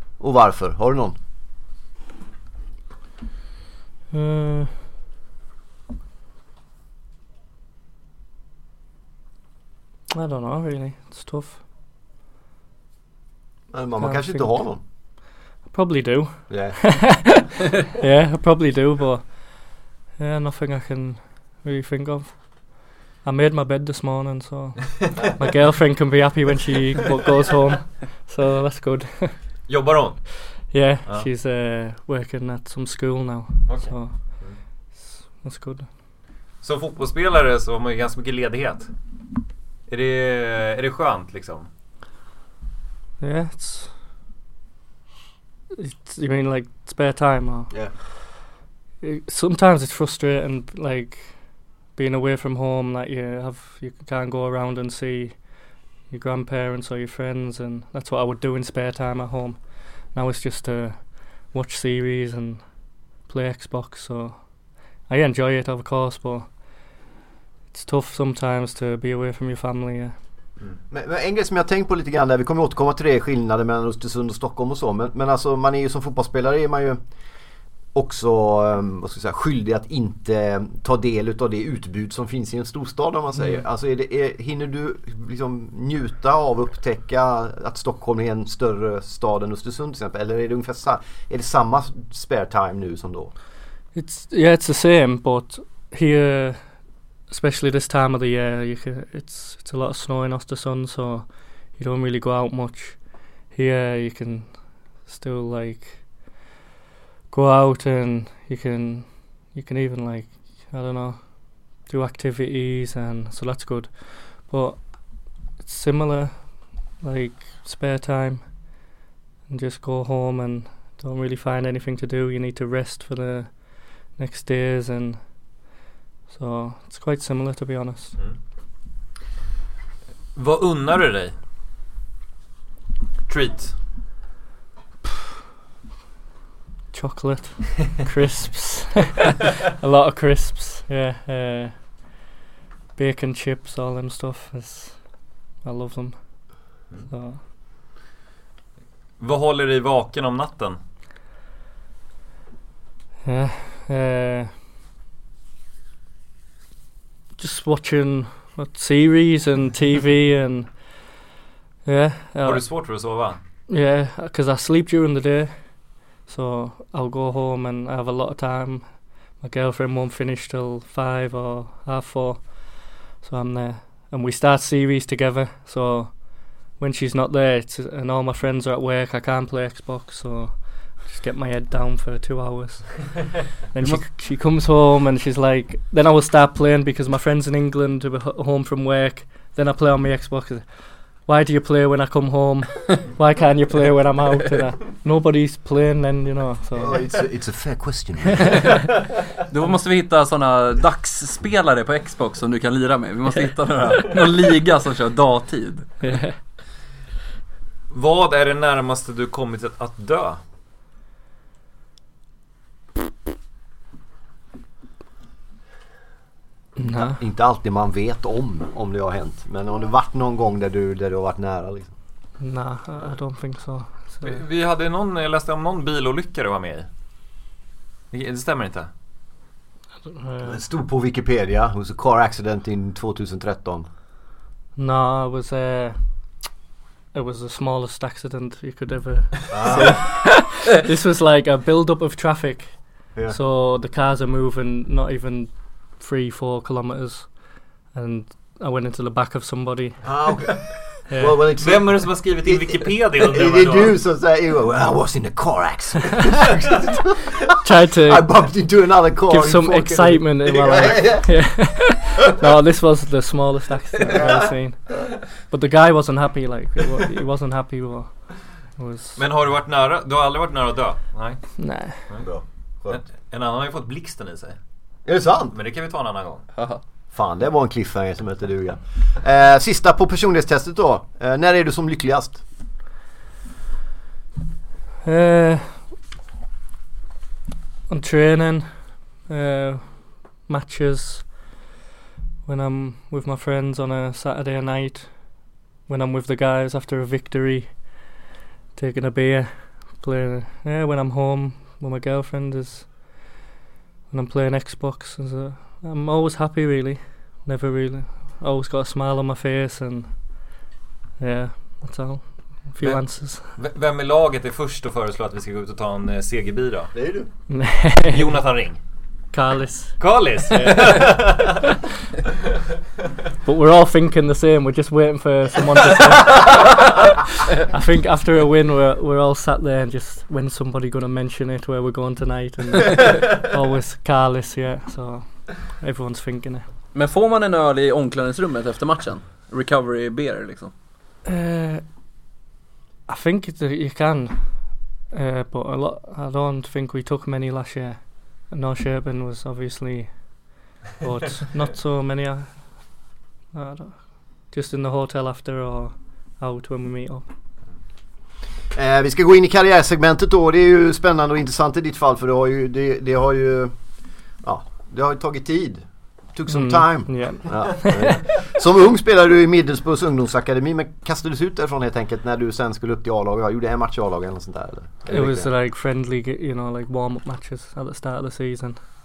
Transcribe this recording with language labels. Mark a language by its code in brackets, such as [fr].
[sv] Och varför? Har du någon? [en] I don't know really. It's tough. [sv] Men mamma kanske inte har någon. [en] Probably do. Yeah. Yeah, I probably do, but yeah, nothing I can really think of. I made my bed this morning, so my girlfriend can be happy when she goes home. So that's good. [sv] Jobbar hon? [en] Yeah, she's working at some school now. Okay. So that's good. [sv] Som fotbollsspelare så har man ju ganska mycket ledighet. Är det skönt liksom? [en] Yeah, it's you mean like spare time or? Yeah. Sometimes it's frustrating like being away from home, that you can't go around and see your grandparents or your friends, and that's what I would do in spare time at home. Now it's just to watch series and play Xbox, so I enjoy it of course, but it's tough sometimes to be away from your family. Yeah. Mm. [sv] Men en grej som jag tänkt på lite grann där, vi kommer återkomma till det, skillnaden mellan Östersund och Stockholm och så, men alltså man är ju som fotbollsspelare är man ju också vad ska jag säga, skyldig att inte ta del av det utbud som finns i en storstad om man säger. Mm. Alltså hinner du liksom njuta av, upptäcka att Stockholm är en större stad än Östersund till exempel, eller är det ungefär är det samma spare time nu som då? [en] It's the same, but here especially this time of the year, it's a lot of snow in Östersund, so you don't really go out much. Here you can still like go out and you can even like, I don't know, do activities, and so that's good. But it's similar, like spare time, and just go home and don't really find anything to do. You need to rest for the next days and. So it's quite similar to be honest. [sv] Mm. Vad unnar du dig? Treat. [en] Chocolate. Crisps. A lot of crisps. Yeah. Bacon chips, all them stuff. I love them. Mm. So. [sv] Vad håller dig vaken om natten? [en] Just watching what, series and TV and yeah. [sv] Har du svårt för att sova? [en] Yeah, because I sleep during the day, so I'll go home and I have a lot of time. My girlfriend won't finish till 5 or 4:30, so I'm there, and we start series together. So when she's not there, and all my friends are at work, I can't play Xbox. So just get my head down for 2 hours. Then she comes home and she's like, then I will start playing because my friends in England are home from work. Then I play on my Xbox. Why do you play when I come home? Why can't you play when I'm out? And nobody's playing then, you know. So. Oh, it's a fair question. [sv] Då måste vi hitta såna dagsspelare på Xbox som du kan lira med. Vi måste hitta någon liga som kör dagtid. [en] Yeah. [sv] Vad är det närmaste du kommit att dö? Nej. Inte alltid man vet om det har hänt, men har det varit någon gång där du har varit nära liksom? Nej, [en] I don't think so. [sv] Vi hade någon, jag läste om någon bilolycka du var med i. Det stämmer inte. Det stod på Wikipedia, [en] it was a car accident in 2013. No, it was the smallest accident you could ever see. This was like a build up of traffic. Yeah. So the cars are moving not even 3-4 kilometers, and I went into the back of somebody. Ah, okay. [sv] Vem är det som har skrivit in Wikipedia? Det är du som säger, [en] I was in a car accident. Try to I bumped into another car. Give some excitement in my life. Yeah. No, this was the smallest accident I've ever seen. But the guy wasn't happy, like, he wasn't happy with [sv] was. Men har du varit nära? Du har aldrig varit nära att dö? Nej. Nej. En annan har ju fått blixten i sig. Är det sant? Men det kan vi ta en annan gång. Fan, det var en cliffhanger som heter duga. Sista på personlighetstestet då. När är du som lyckligast? [en] On training, matches, when I'm with my friends on a Saturday night, when I'm with the guys after a victory, taking a beer, playing. Yeah, when I'm home with my girlfriend, is when I'm playing Xbox. So I'm always happy, really. Never really. Always got a smile on my face and yeah, that's all. A few answers. [sv] Vem i laget är först att föreslå att vi ska gå ut och ta en CGB då? Det är du. Nej. Jonathan Ring. Carlis. Carlis. [en] But we're all thinking the same. We're just waiting for someone to say. I think after a win we're all sat there and just when somebody gonna mention it where we're going tonight and always Carlis, yeah. So everyone's thinking it. [sv] Men får man en öl i omklädningsrummet efter matchen? Recovery beer liksom? [en] I think you can. But a lot, I don't think we took many last year. No Sherbin was obviously, but not so many. I don't, just in the hotel after or out when we meet up. [sv] Vi ska gå in i karriärsegmentet då. Det är ju spännande och intressant i ditt fall. För det har ju tagit tid. [en] Took some time. Yeah. [sv] Ja. Som ung spelade du i Middlesbrough ungdomsakademi, men kastades ut därifrån helt enkelt när du sen skulle upp till A-laget. Jag gjorde en match i A-laget eller sånt där. Eller? [en] It was det? Like friendly, you know, like warm up matches at the start of the season.